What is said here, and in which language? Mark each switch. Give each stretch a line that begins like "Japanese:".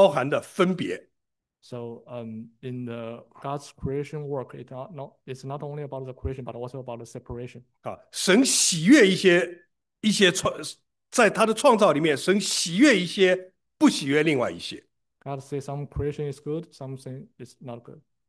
Chinese: 我们就因此我们就可以看到说神的工作其实不但包含的创造，它也包含的分别。
English: So in the God's creation work, it's not only about the creation, but also about the separation.
Chinese: 神喜悦一些在他的创造里面，神喜悦一些，不喜悦另外一些。God
English: says some creation is good, something is not good.